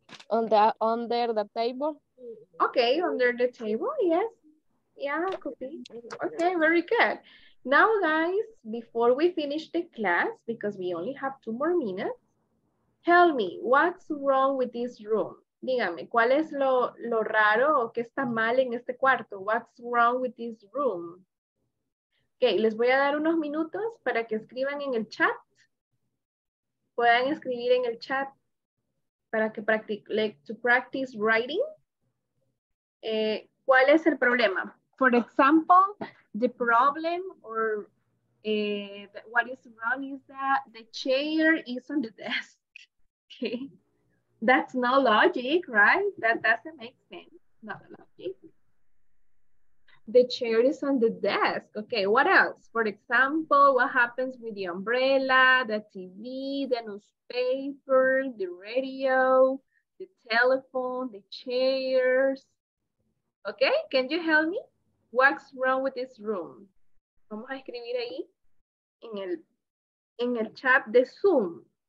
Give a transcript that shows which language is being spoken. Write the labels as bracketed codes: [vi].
[en] Under the table. Okay, under the table. Yes. Yeah, could be. Okay, very good. Now, guys, before we finish the class, because we only have 2 more minutes, tell me, what's wrong with this room? [es] Dígame, ¿cuál es lo raro o qué está mal en este cuarto? [en] What's wrong with this room? Okay, [es] les voy a dar unos minutos para que escriban en el chat. Puedan escribir en el chat para que [en] practice writing. [es] ¿Cuál es el problema? [en] For example, the problem or what is wrong is that the chair is on the desk. Okay. That's no logic, right? That doesn't make sense. Not logic. The chair is on the desk. Okay, what else? For example, what happens with the umbrella, the TV, the newspaper, the radio, the telephone, the chairs? Okay, can you help me? What's wrong with this room? [es] Vamos a escribir ahí en el chat de Zoom.